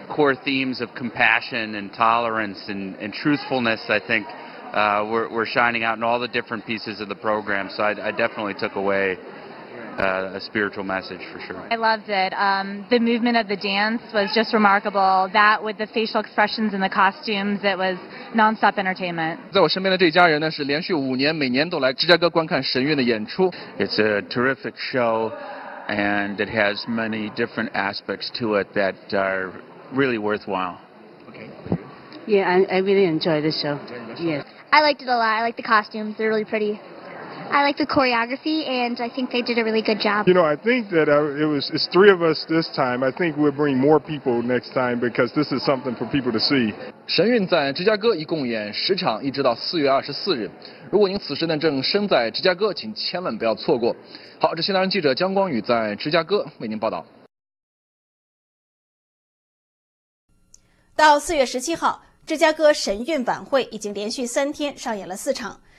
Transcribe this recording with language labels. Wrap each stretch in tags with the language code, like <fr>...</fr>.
<en>Core themes of compassion and tolerance and truthfulness, I think,were shining out in all the different pieces of the program. So I definitely took away... A spiritual message for sure. I loved it. The movement of the dance was just remarkable. That with the facial expressions and the costumes, it was non-stop entertainment.</en> <zh>在我身边的这家人呢，是连续五年每年都来芝加哥观看神韵的演出。</zh> <en>It's a terrific show, and it has many different aspects to it that are really worthwhile. Okay. Yeah, I really enjoyed the show. Yes. I liked it a lot. I liked the costumes. They're really pretty. I like the choreography, and I think they did a really good job. You know, I think that it's three of us this time. I think we'll bring more people next time because this is something for people to see.</en> <zh>神韵在芝加哥一共演十场，一直到4月24日。如果您此时呢正身在芝加哥，请千万不要错过。好，这新唐人记者江光宇在芝加哥为您报道。到4月17号，芝加哥神韵晚会已经连续三天上演了四场。</zh>